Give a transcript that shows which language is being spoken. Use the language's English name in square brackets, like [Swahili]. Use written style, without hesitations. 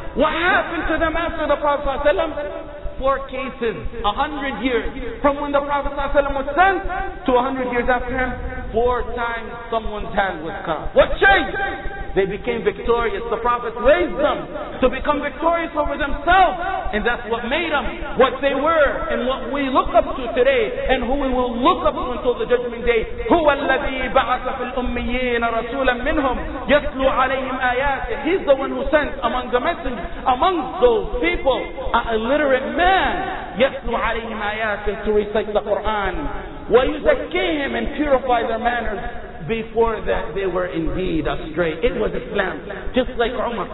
[English] What happened to them after the Prophet sallallahu alaihi wasallam? 4 cases, 100 years from when the Prophet was sent to 100 years after him, 4 times someone's hand was cut. What changed? They became victorious. The Prophet raised them to become victorious over themselves, and that's what made them what they were and what we look up to today, and who we will look up to until the judgment day. [Arabic] هو الذي بعث في الأميين رسولا منهم يسلو عليهم آيات. [English] He's the one who sent among the messengers, among those people, an illiterate man, [Arabic] يسلو عليهم آيات, [English] to recite the Quran. [Arabic] ويزكيهم, [English] and purify their manners. Before that, they were indeed astray. It was Islam. Just like Umar.